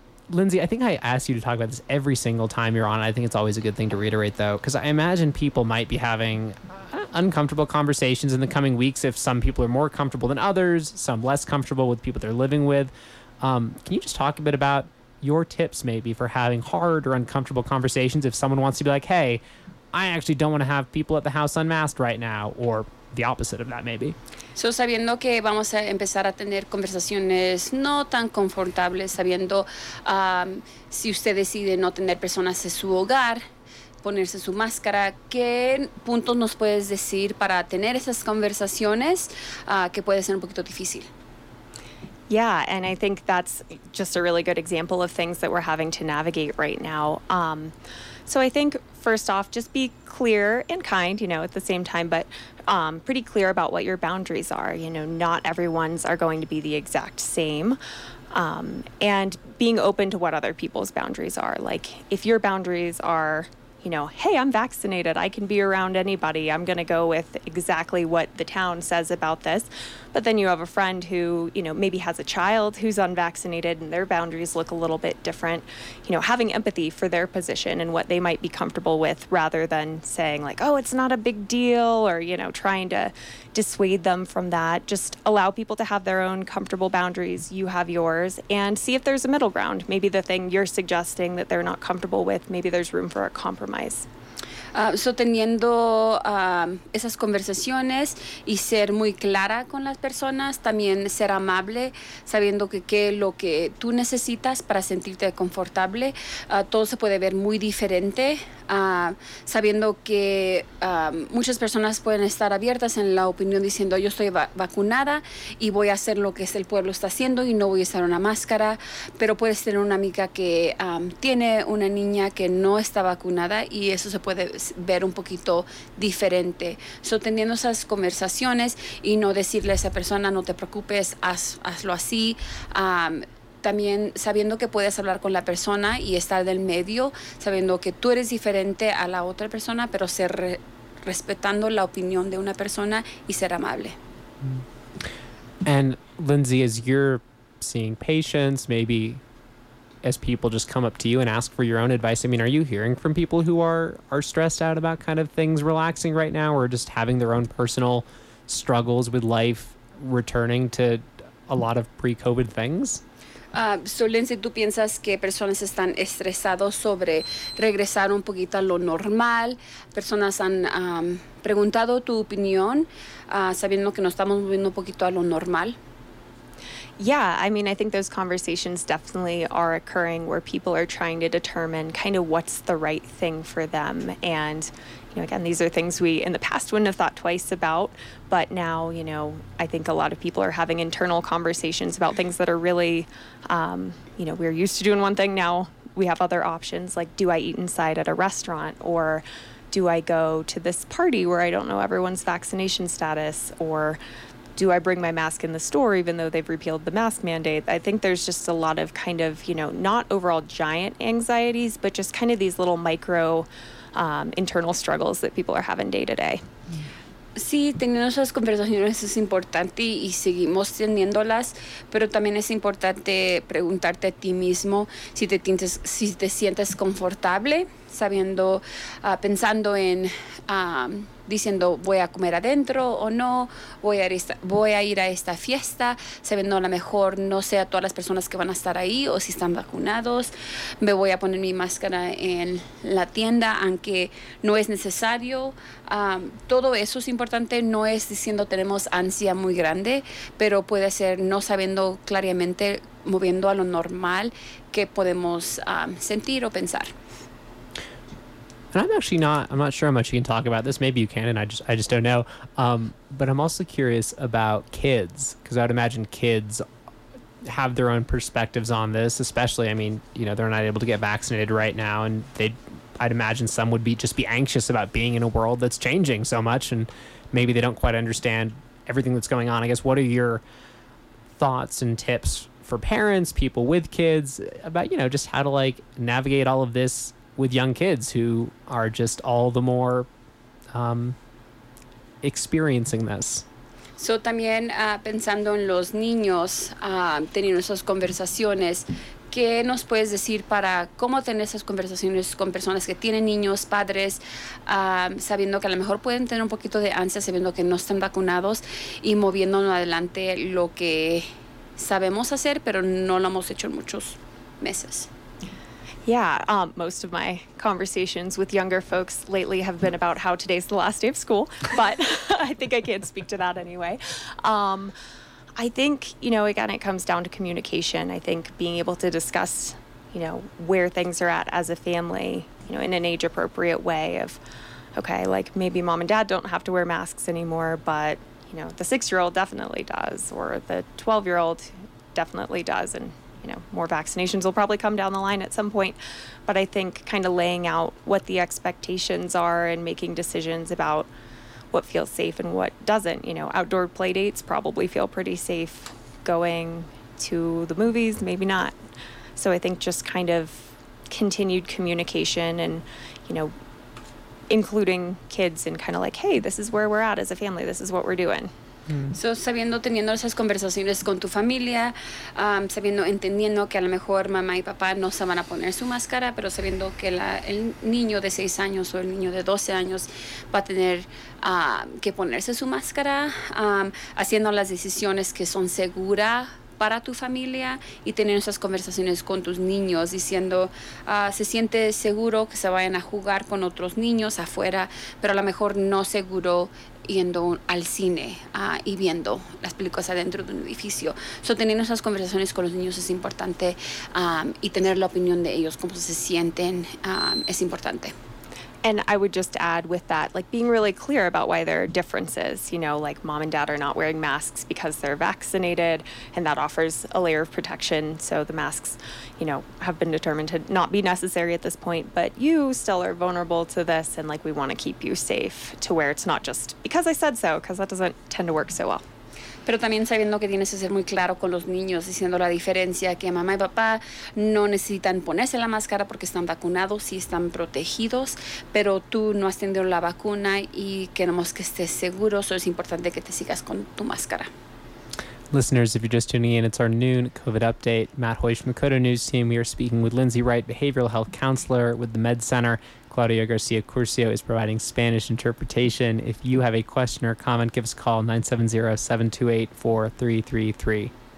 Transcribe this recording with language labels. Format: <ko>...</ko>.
<en>Lindsay, I think I ask you to talk about this every single time you're on. I think it's always a good thing to reiterate, though, because I imagine people might be having uncomfortable conversations in the coming weeks if some people are more comfortable than others, some less comfortable with people they're living with. Can you just talk a bit about your tips maybe for having hard or uncomfortable conversations if someone wants to be like, hey, I actually don't want to have people at the house unmasked right now, or the opposite of that, maybe. So,</en> <es>sabiendo que vamos a empezar a tener conversaciones no tan confortables, sabiendo si usted decide no tener personas en su hogar, ponerse su máscara, ¿qué puntos nos puedes decir para tener esas conversaciones que puede ser un poquito difícil?</es> <en>Yeah, and I think that's just a really good example of things that we're having to navigate right now. So I think, first off, just be clear and kind, you know, at the same time, but pretty clear about what your boundaries are. You know, not everyone's are going to be the exact same. And being open to what other people's boundaries are. Like, if your boundaries are, you know, hey, I'm vaccinated. I can be around anybody. I'm going to go with exactly what the town says about this. But then you have a friend who, you know, maybe has a child who's unvaccinated and their boundaries look a little bit different. You know, having empathy for their position and what they might be comfortable with rather than saying like, oh, it's not a big deal, or, you know, trying to dissuade them from that. Just allow people to have their own comfortable boundaries. You have yours, and see if there's a middle ground. Maybe the thing you're suggesting that they're not comfortable with, maybe there's room for a compromise. So</en> <es>teniendo esas conversaciones y ser muy clara con las personas, también ser amable, sabiendo que qué lo que tú necesitas para sentirte confortable, todo se puede ver muy diferente, sabiendo que muchas personas pueden estar abiertas en la opinión diciendo yo estoy vacunada y voy a hacer lo que el pueblo está haciendo y no voy a usar una máscara, pero puedes tener una amiga que tiene una niña que no está vacunada y eso se puede ver un poquito diferente.</es> <en>So,</en> <es>teniendo esas conversaciones y no decirle a esa persona, no te preocupes, hazlo así. También sabiendo que puedes hablar con la persona y estar del medio, sabiendo que tú eres diferente a la otra persona, pero ser respetando la opinión de una persona y ser amable.</es> <en>And Lindsay, as you're seeing patients, maybe as people just come up to you and ask for your own advice, I mean, are you hearing from people who are stressed out about kind of things relaxing right now, or just having their own personal struggles with life returning to a lot of pre-COVID things? So</en> <es>Lindsay, ¿tú piensas que personas están estresados sobre regresar un poquito a lo normal? Personas han preguntado tu opinión, sabiendo que nos estamos moviendo un poquito a lo normal.</es> <en>Yeah, I mean, I think those conversations definitely are occurring where people are trying to determine kind of what's the right thing for them. And, you know, again, these are things we in the past wouldn't have thought twice about. But now, you know, I think a lot of people are having internal conversations about things that are really, you know, we're used to doing one thing. Now we have other options, like, do I eat inside at a restaurant, or do I go to this party where I don't know everyone's vaccination status, or do I bring my mask in the store even though they've repealed the mask mandate? I think there's just a lot of kind of, you know, not overall giant anxieties, but just kind of these little micro internal struggles that people are having day to day.</en> <es>Sí, teniendo esas conversaciones es importante y seguimos teniéndolas, pero también es importante preguntarte a ti mismo si te sientes confortable sabiendo, pensando en diciendo voy a comer adentro o no, voy a ir a esta fiesta, sabiendo a lo mejor no sé a todas las personas que van a estar ahí o si están vacunados, me voy a poner mi máscara en la tienda, aunque no es necesario. Todo eso es importante, no es diciendo tenemos ansia muy grande, pero puede ser no sabiendo claramente, moviendo a lo normal, que podemos sentir o pensar.</es> <en>And I'm not sure how much you can talk about this. Maybe you can, and I just don't know. But I'm also curious about kids, because I would imagine kids have their own perspectives on this, especially, I mean, you know, they're not able to get vaccinated right now, and I'd imagine some would be anxious about being in a world that's changing so much, and maybe they don't quite understand everything that's going on. I guess, what are your thoughts and tips for parents, people with kids, about, you know, just how to, like, navigate all of this with young kids who are just all the more experiencing this? So</en> <es>también pensando en los niños, teniendo esas conversaciones, ¿qué nos puedes decir para cómo tener esas conversaciones con personas que tienen niños, padres, sabiendo que a lo mejor pueden tener un poquito de ansia, sabiendo que no están vacunados y moviéndonos adelante lo que sabemos hacer, pero no lo hemos hecho en muchos meses?</es> <en>Yeah, most of my conversations with younger folks lately have been about how today's the last day of school, but I think I can't speak to that anyway. I think, you know, again, it comes down to communication. I think being able to discuss, you know, where things are at as a family, you know, in an age-appropriate way of, okay, like, maybe mom and dad don't have to wear masks anymore, but, you know, the 6-year-old definitely does, or the 12-year-old definitely does, and you know, more vaccinations will probably come down the line at some point. But I think kind of laying out what the expectations are and making decisions about what feels safe and what doesn't. You know, outdoor play dates probably feel pretty safe. Going to the movies, maybe not. So I think just kind of continued communication and, you know, including kids and kind of like, hey, this is where we're at as a family. This is what we're doing. Mm. So,</en> <es>sabiendo, teniendo esas conversaciones con tu familia, sabiendo, entendiendo que a lo mejor mamá y papá no se van a poner su máscara, pero sabiendo que el niño de 6 años o el niño de 12 años va a tener que ponerse su máscara, haciendo las decisiones que son seguras para tu familia y teniendo esas conversaciones con tus niños, diciendo, se siente seguro que se vayan a jugar con otros niños afuera, pero a lo mejor no seguro yendo al cine y viendo las películas adentro de un edificio.</es> <en>So,</en> <es>teniendo esas conversaciones con los niños es importante y tener la opinión de ellos, cómo se sienten, es importante.</es> <en>And I would just add with that, like being really clear about why there are differences, you know, like mom and dad are not wearing masks because they're vaccinated and that offers a layer of protection. So the masks, you know, have been determined to not be necessary at this point, but you still are vulnerable to this. And like, we want to keep you safe to where it's not just because I said so, because that doesn't tend to work so well.</en> <es>Pero también sabiendo que tienes que ser muy claro con los niños, diciendo la diferencia que mamá y papá no necesitan ponerse la máscara porque están vacunados y están protegidos, pero tú no has tenido la vacuna y queremos que estés seguro,</es> <en>so</en> <es>es importante que te sigas con tu máscara.</es> <en>Listeners, if you're just tuning in, it's our noon COVID update. Matt Hoy from the Coda News team. We are speaking with Lindsay Wright, behavioral health counselor with the Med Center. Claudio Garcia Curcio is providing Spanish interpretation. If you have a question or comment, give us a call, 970-728-4333.</en>